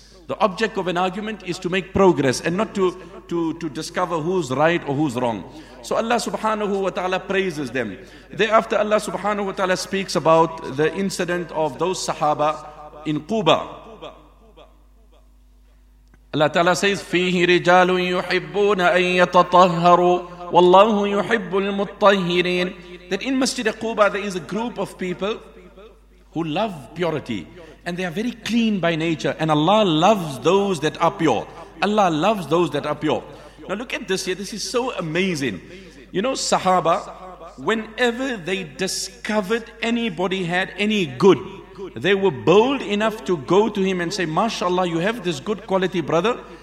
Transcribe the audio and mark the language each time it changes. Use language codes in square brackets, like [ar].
[en] The object of an argument is to make progress and not to discover who's right or who's wrong. So Allah subhanahu wa ta'ala praises them. Thereafter, Allah subhanahu wa ta'ala speaks about the incident of those sahaba in Quba. Allah ta'ala says, [ar] فِيهِ رِجَالٌ يُحِبُّونَ أَن يَتَطَهَّرُوا وَاللَّهُ يُحِبُّ الْمُطَّهِّرِينَ. [en] That in Masjid Quba there is a group of people who love purity. And they are very clean by nature. And Allah loves those that are pure. Allah loves those that are pure. Now look at this here. This is so amazing. You know, Sahaba, whenever they discovered anybody had any good, they were bold enough to go to him and say, MashaAllah, you have this good quality, brother.